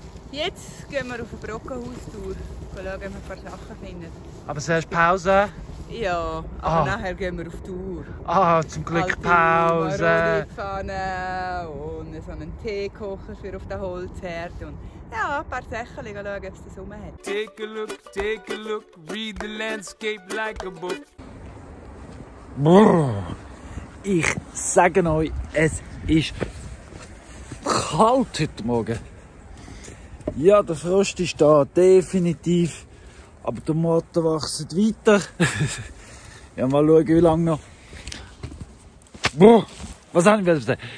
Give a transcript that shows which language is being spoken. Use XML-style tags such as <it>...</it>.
<de>Jetzt gehen wir auf eine Brockenhaustour und schauen, ob wir ein paar Sachen finden. Aber zuerst Pause. Ja, aber nachher gehen wir auf Tour. Ah, zum Glück halt Pause. Halt die Maroni-Pfanne und so einen Teekocher für auf den Holzherd. Und ja, ein paar Sachen schauen, ob es das rum hat.</de> <en>Take a look, take a look, read the landscape like a book.</en> <de>Ich sage euch, es ist kalt heute Morgen. Ja, der Frost ist da, definitiv. Aber der Motor wächst weiter. Ja, mal schauen, wie lange noch. Boah, was haben wir denn?</de>